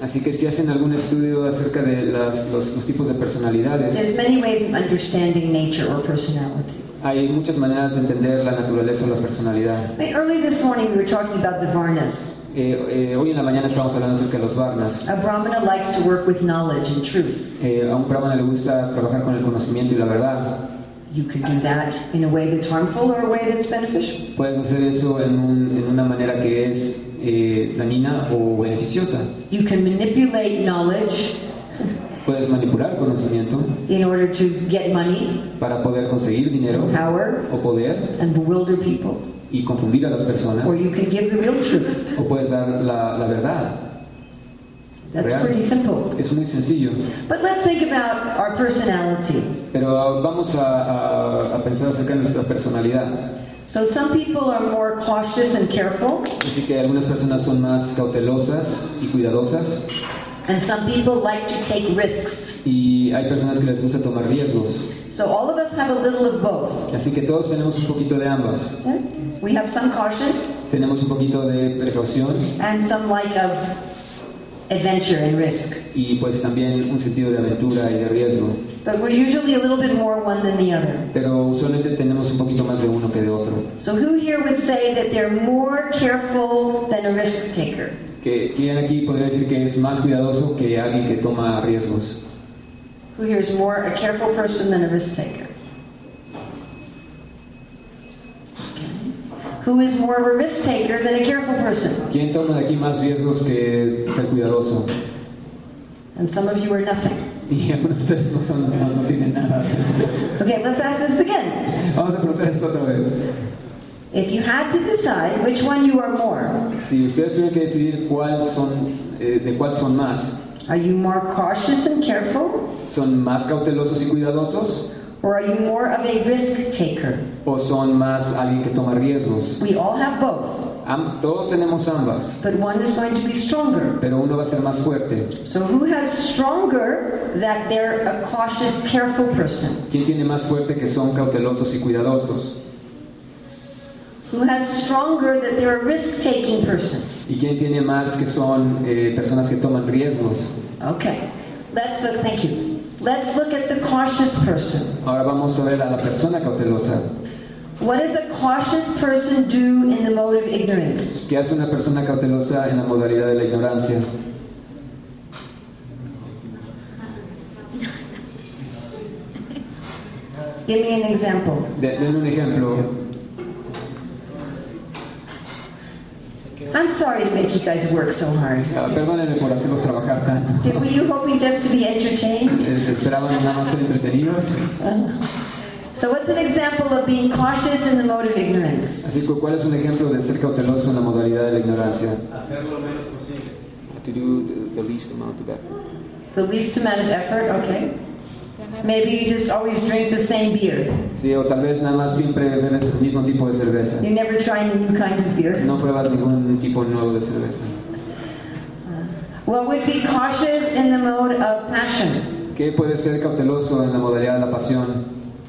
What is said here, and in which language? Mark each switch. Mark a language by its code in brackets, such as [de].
[es] así que si hacen algún estudio acerca de los tipos de personalidades, [en] there's many ways of understanding nature or personality. [es] Hay muchas maneras de entender la naturaleza o la personalidad. [en] Early this morning we were talking about the varnas. [es] Hoy en la mañana estamos hablando acerca de los varnas. [en] A brahmana likes to work with knowledge and truth. [es] A un brahmana le gusta trabajar con el conocimiento y la verdad. [en] You can do that in a way that's harmful or a way that's beneficial. [es] Puedes hacer eso en una manera que es dañina o beneficiosa. [en] You can manipulate knowledge. [es] Puedes manipular conocimiento. [en] In order to get money. [es] Para poder conseguir dinero. [en] Power. [es] O poder. [en] And bewilder people. [es] Y confundir a las personas. [en] Or you can give the real truth. [es] O puedes dar la verdad. [en] That's real. Pretty simple. [es] Es muy sencillo. [en] But let's think about our personality. [es] Pero vamos a pensar acerca de nuestra personalidad. [en] So some people are more cautious and careful. [es] Así que algunas personas son más cautelosas y cuidadosas. [en] And some people like to take risks. [es] Y hay personas que les gusta tomar riesgos. [en] So all of us have a little of both. [es] Así que todos tenemos un poquito de ambas. [en] We have some caution. [es] Tenemos un poquito de precaución. [en] And some like of adventure and risk. [es] Y pues también un sentido de aventura y de riesgo. [en] But we're usually a little bit more one than the other. [es] Pero usualmente tenemos un poquito más de uno que de otro. [en] So who here would say that they're more careful than a risk taker? [es] ¿Quién aquí podría decir que es más cuidadoso que alguien que toma riesgos? [en] Who here is more a careful person than a risk taker? Okay. Who is more of a risk taker than a careful person? [es] ¿Quién toma de aquí más riesgos que ser cuidadoso? [en] And some of you are nothing. Okay, let's ask this again. [es] Vamos a preguntar esto otra vez. [en] If you had to decide which one you are more. [es] Si ustedes tuvieran que decidir cuál son, de cuál son más. [en] Are you more cautious and careful? [es] ¿Son más cautelosos y cuidadosos? [en] Or are you more of a risk taker? [es] ¿O son más alguien que toma riesgos? [en] We all have both. [es] Todos tenemos ambas. [en] But one is going to be stronger. [es] Pero uno va a ser más fuerte. [en] So who has stronger that they're a cautious, careful person? [es] ¿Quién tiene más fuerte que son cautelosos y cuidadosos? [en] Who has stronger that they're a risk-taking person? [es] ¿Y quién tiene más que son personas que toman riesgos? [en] Okay. Thank you. Let's look at the cautious person. [es] Ahora vamos a ver a la persona cautelosa. [en] What does a cautious person do in the mode of ignorance? [es] ¿Qué hace una persona cautelosa en la modalidad de la ignorancia? [en] Give me an example. [es] Denme un ejemplo. [en] I'm sorry to make you guys work so hard. [es] Perdónenme por hacerlos trabajar tanto. [en] Were you hoping just to be entertained? [es] ¿Esperaban nada más ser entretenidos? [en] So what's an example of being cautious in the mode of ignorance? [es] Así que, ¿cuál es un ejemplo de ser cauteloso en la modalidad de la ignorancia? Hacer lo menos posible. [en] To do the least amount of effort. The least amount of effort, okay. Maybe you just always drink the same beer. [es] Sí, o tal vez nada más siempre bebes el mismo tipo de cerveza. [en] You never try new kinds of beer. [es] No pruebas ningún tipo nuevo de cerveza. [en] What would be cautious in the mode of passion? [es] ¿Qué puede ser cauteloso en la modalidad de la pasión?